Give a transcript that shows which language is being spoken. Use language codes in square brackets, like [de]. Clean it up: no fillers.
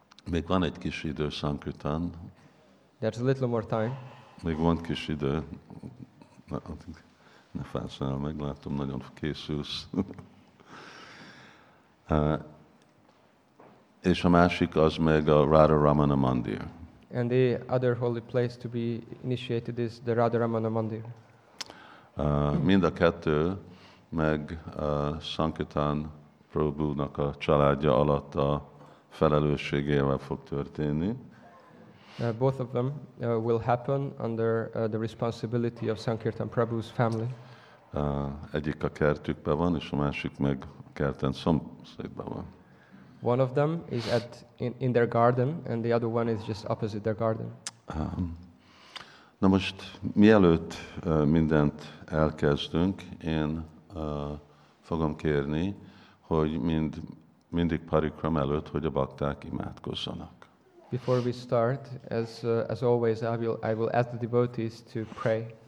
[hu] Még van egy kis idő Sankirtan. [en] There's a little more time. [hu] Még van kis idő. Ne fászol, meglátom, nagyon készülsz. És a másik az meg a Radha Ramana Mandir. [en] And the other holy place to be initiated is the Radha Ramana Mandir. [hu] Mind a kettő meg Sankirtan Prabhu-nak a családja alatt a felelősségével fog történni. [en] Both of them will happen under the responsibility of Sankirtan Prabhu's family. [hu] Egyik a kertükben van, és a másik meg kerten szomszédban van. [en] One of them is in their garden, and the other one is just opposite their garden. [hu] Na most, mielőtt mindent elkezdünk, én fogom kérni, hogy mindig parikram előtt, hogy a bakták imádkozzanak. [en] Before we start, as always, I will ask the devotees to pray.